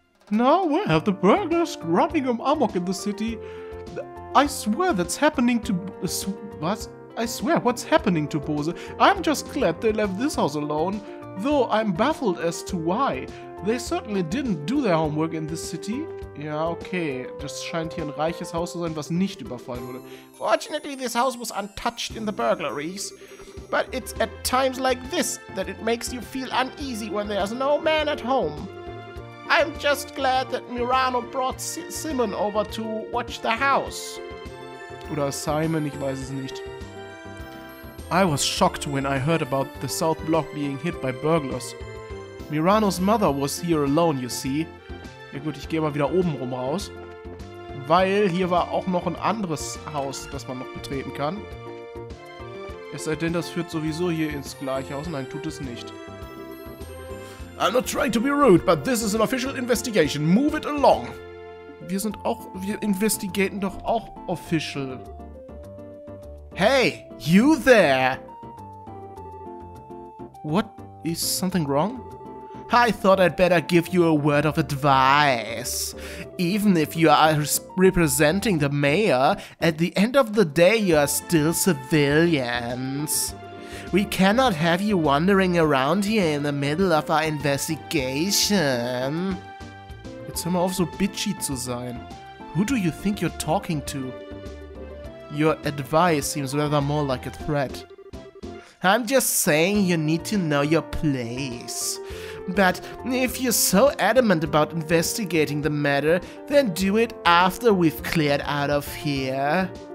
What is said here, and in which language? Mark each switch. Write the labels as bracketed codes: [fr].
[en] Now we have the burglars running amok in the city. I swear that's happening to... [de] Was? [en] I swear, what's happening to Bose? I'm just glad they left this house alone, though I'm baffled as to why. They certainly didn't do their homework in this city. [de] Ja, okay. Das scheint hier ein reiches Haus zu sein, was nicht überfallen wurde. [en] Fortunately, this house was untouched in the burglaries. But it's at times like this that it makes you feel uneasy when there's no man at home. I'm just glad that Murano brought Simon over to watch the house. [de] Oder Simon, ich weiß es nicht. [en] I was shocked when I heard about the South Block being hit by burglars. Murano's mother was here alone, you see. [de] Ja gut, ich gehe mal wieder oben rum raus. Weil hier war auch noch ein anderes Haus, das man noch betreten kann. Es sei denn, das führt sowieso hier ins gleiche Haus. Nein, tut es nicht. [en] I'm not trying to be rude, but this is an official investigation. Move it along. [de] Wir investigaten doch auch official. [en] Hey, you there! What? Is something wrong? I thought I'd better give you a word of advice. Even if you are representing the mayor, at the end of the day you are still civilians. We cannot have you wandering around here in the middle of our investigation. [de] Jetzt hör mal auf, so bitchy zu sein. [en] Who do you think you're talking to? Your advice seems rather more like a threat. I'm just saying you need to know your place. But if you're so adamant about investigating the matter, then do it after we've cleared out of here.